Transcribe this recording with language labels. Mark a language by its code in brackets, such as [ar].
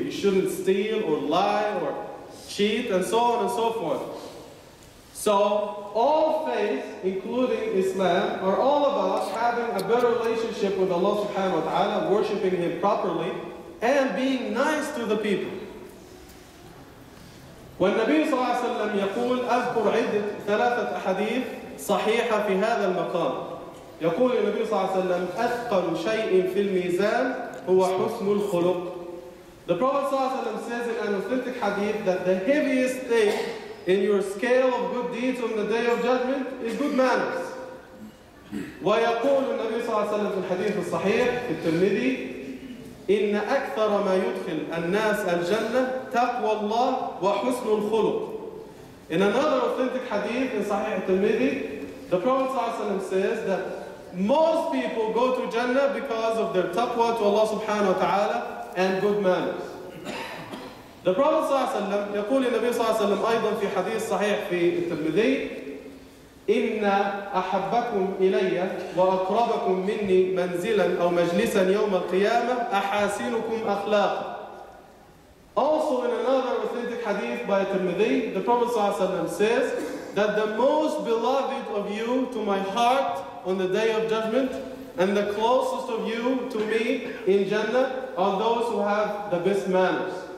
[en] You shouldn't steal or lie or cheat and so on and so forth. So all faiths, including Islam, are all about having a better relationship with Allah subhanahu wa ta'ala, worshiping Him properly, and being nice to the people. [ar] والنبي صلى الله عليه وسلم يقول أذكر عدة ثلاثة أحاديث صحيحة في هذا المقام. يقول النبي صلى الله عليه وسلم أثقل شيء في الميزان هو حسن الخلق. [en] The Prophet صلى الله عليه وسلم says in an authentic hadith that the heaviest thing in your scale of good deeds on the Day of Judgment is good manners. [ar] ويقول النبي صلى الله عليه وسلم في الحديث الصحيح في الترمذي إن أكثر ما يدخل الناس الجنة تقوى الله وحسن الخلق. [en] In another authentic hadith in صحيح الترمذي, the Prophet صلى الله عليه وسلم says that most people go to Jannah because of their taqwa to Allah subhanahu wa ta'ala and good manners. The Prophet [ar] صلى الله عليه وسلم يقول النبي صلى الله عليه وسلم أيضا في حديث صحيح في الترمذي إن أحبكم إلي وأقربكم مني منزلا أو مجلسا يوم القيامة أحاسنكم أخلاقا. [en] Also in another authentic hadith by الترمذي, the Prophet صلى الله عليه وسلم says that the most beloved of you you to my heart on the day of judgment, and the closest of you to me in Jannah are those who have the best manners.